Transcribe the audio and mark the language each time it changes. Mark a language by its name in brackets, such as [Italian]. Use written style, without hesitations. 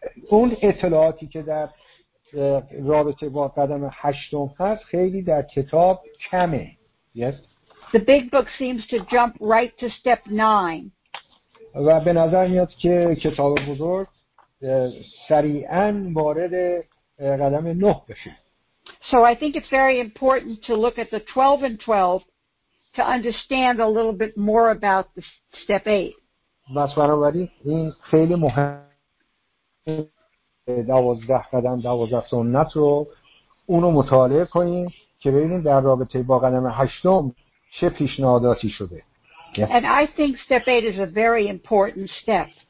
[Persian] اون اطلاعاتی که در رابطه با قدم هشتم هست خیلی در کتاب کمه. [English] Yes. The big book seems to jump right to step 9. [Persian] و به نظر میاد که کتاب بزرگ سریعاً وارد قدم 9 بشه. [English] So I think it's very important to look at the 12 and 12 to understand a little bit more about the step 8. [Persian] بس بنابراین این خیلی مهمه 12 قدم 12 سنت رو اونو مطالعه کنیم که ببینیم در رابطه با قدم هشتم چه پیشنهاداتی شده. [English] And I think step 8 is a very important step.